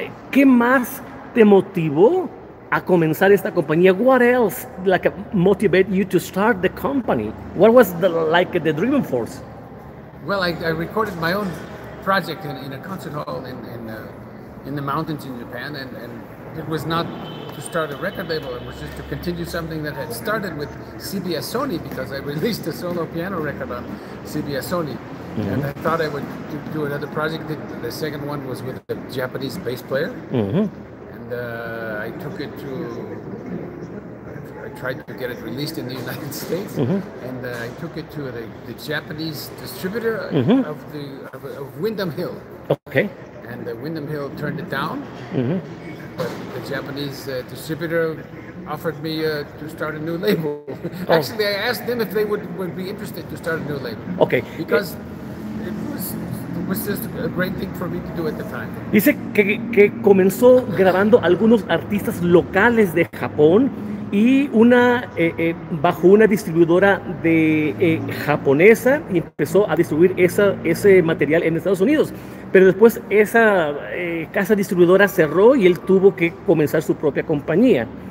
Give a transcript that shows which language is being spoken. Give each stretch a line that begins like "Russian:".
Spanish: ¿Qué más te motivó a comenzar esta compañía?
English: What else like motivated you to start the company? What was the driving force? Well, I recorded my own project in a concert hall in the mountains in Japan, and it was not to start a record label, it was just to continue something that had started with CBS Sony, because I released a solo piano record on CBS Sony. Mm-hmm. And I thought I would do another project. The second one was with a Japanese bass player. Mm-hmm. And I took it to... I tried to get it released in the United States. Mm-hmm. And I took it to the Japanese distributor. Mm-hmm. of Windham Hill. Okay. And Windham Hill turned it down. Mm-hmm. But the Japanese distributor offered me to start a new label. Actually, I asked them if they would be interested to start a new label. Okay. Because it was just a great thing for me to do at the time.
Spanish: Dice que comenzó grabando algunos artistas locales de Japón y una bajo una distribuidora de japonesa y empezó a distribuir ese material en Estados Unidos, pero después esa casa distribuidora cerró y él tuvo que comenzar su propia compañía.